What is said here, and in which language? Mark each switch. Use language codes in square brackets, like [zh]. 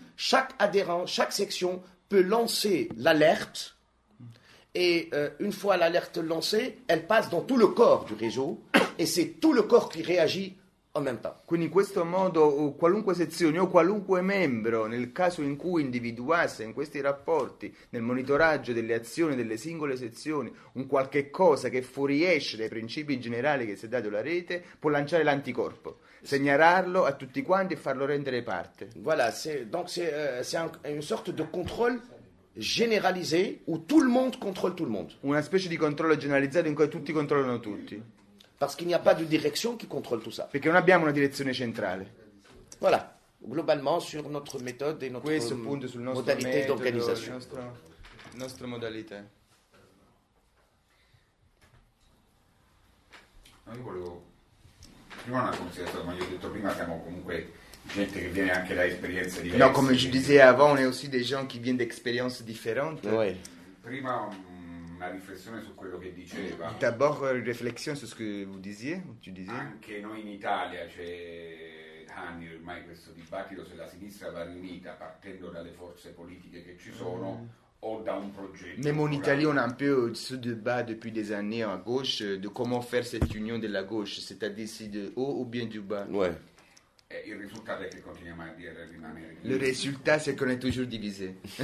[fr] chaque adhérent, chaque section peut lancer l'alerte. Et une fois l'alerte lancée, elle passe dans tout le corps du réseau et c'est tout le corps qui réagit en même temps. [it] Quindi in questo modo qualunque sezione o qualunque membro, nel caso in cui individuasse in questi rapporti, nel monitoraggio delle azioni delle singole sezioni, un qualche cosa che fuoriesce dai principi generali che si è dato la rete, può lanciare l'anticorpo, segnalarlo a tutti quanti e farlo rendere parte. [fr] Voilà, c'est, donc c'est, c'est un, une sorte de contrôle généralisé où tout le monde contrôle tout le monde. [it] Una specie di controllo generalizzato in cui tutti controllano tutti. [fr] Parce qu'il n'y a pas de direction qui contrôle tout ça. [it] Perché non abbiamo una direzione centrale. [fr] Voilà, globalement sur notre méthode et notre [it] questo punto sul nostro modalità metodo, [fr] d'organisation. [it] Nostra modalità. No, io volevo prima una considerazione, ma io ho detto prima siamo comunque gente che viene anche da esperienze diverse. [fr] No, [it] come [fr] je disais avant, on est aussi des gens qui viennent d'expériences différentes. Oui. [it] Prima una riflessione su quello che diceva. [fr] D'abord une réflexion sur ce que vous disiez, tu disais. [it] Anche noi in Italia c'è anni ormai questo dibattito se la sinistra va riunita partendo dalle forze politiche che ci sono o da un progetto. [fr] Même en Italie, on a un peu ce débat depuis des années à gauche de comment faire cette union de la gauche, c'est-à-dire si de haut ou bien du bas. Ouais. [it] Il risultato è che continuiamo a dire rimanere. Le risultato è che non è [fr] toujours divisé.